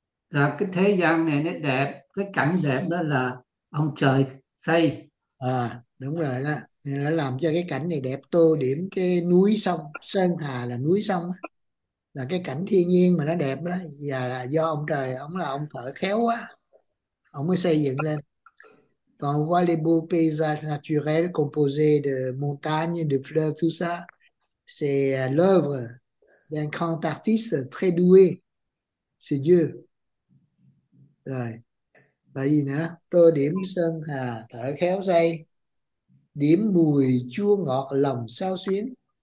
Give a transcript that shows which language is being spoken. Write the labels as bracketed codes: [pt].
[vi] cái thế gian này nó đẹp, cái cảnh đẹp đó là ông trời xây. À đúng rồi đó, nên nó làm cho cái cảnh này đẹp, tô điểm cái núi sông, sơn hà là núi sông, là cái cảnh thiên nhiên mà nó đẹp đó, và là do ông trời, ông là ông thợ khéo quá ông mới xây dựng lên. [fr] Còn voir les beaux paysages naturels composés de montagnes, de fleuves, tout ça, c'est l'œuvre d'un grand artiste très doué. C'est Dieu. [vi] Rồi. Là gì nữa? Tô điểm sơn hà, thợ khéo xây. Điểm mùi chua ngọt lòng xao xuyến.